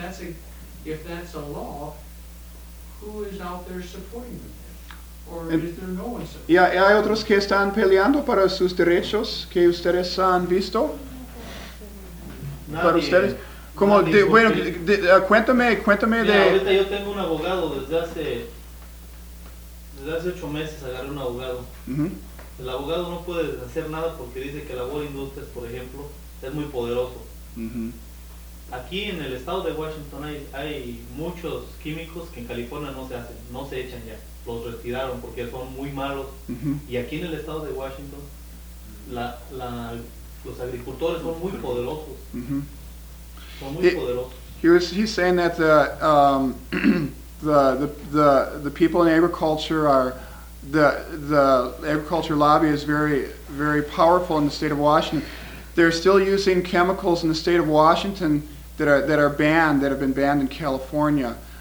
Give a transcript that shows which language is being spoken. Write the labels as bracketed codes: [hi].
[en] But if that's a law, who is out there supporting them? Or is there no one? [es] ¿Y hay otros que están peleando para sus derechos que ustedes han visto? Nadie, para ustedes. Como bueno, cuéntame mira, de. Ahorita yo tengo un abogado desde hace 8 meses agarré un abogado. Uh-huh. El abogado no puede hacer nada porque dice que la World Industries, por ejemplo, es muy poderoso. Uh-huh. Aquí en el estado de Washington hay muchos químicos que en California no se hacen, no se echan ya. Los retiraron porque son muy malos. Uh-huh. Y aquí en el estado de Washington los agricultores son muy poderosos. Uh-huh. Son muy poderosos. [en] He's saying that the people in agriculture are the agriculture lobby is very very powerful in the state of Washington. They're still using chemicals in the state of Washington that are banned, that have been banned in California.